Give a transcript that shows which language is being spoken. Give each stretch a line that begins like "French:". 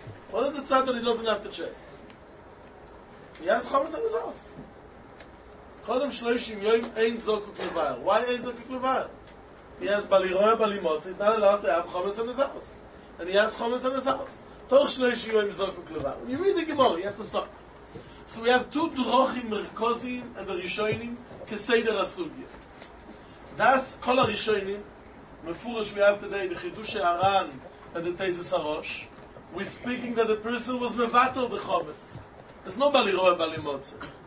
English: What is the side that he doesn't have to check? He has חומץ in his house.
Hebrew: קודם 30 יום אין זוקוק לבייר.
English: Why
Hebrew: אין זוקוק לבייר?
English: He has בלי רואה בלי מוצא. He's not allowed to have חומץ in his house. And he has חומץ in his house.
Hebrew: תוך 30 יום זוקוק לבייר.
English: You read the Gemara, you have to stop. So we have two דרוכים מרכוזיים and הראשונים כסדר הסוגיה. That's כל הראשונים. מפורש we have today the חידוש הר"ן and the תזס הראש. We're speaking that the person was מבטל the חומץ. It's not בלי רואה בלי מוצא.